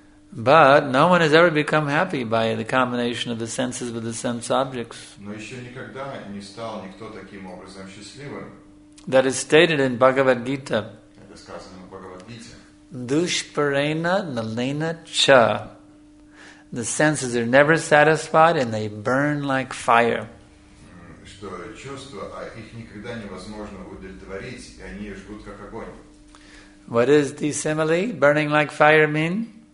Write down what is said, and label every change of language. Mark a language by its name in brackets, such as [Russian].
[English] But no one has ever become happy by the combination of the senses with the sense objects. [Russian] Но еще никогда не стал никто таким образом счастливым. [English] That is stated in Bhagavad Gita. [Russian] Это сказано в Бхагавад Гите. [Sanskrit] Душпарена налена ча. [English] The senses are never satisfied and they burn like fire. [Russian] Что чувства, а их никогда невозможно удовлетворить, и они жгут как огонь. [English] What is the simile, burning like fire, mean?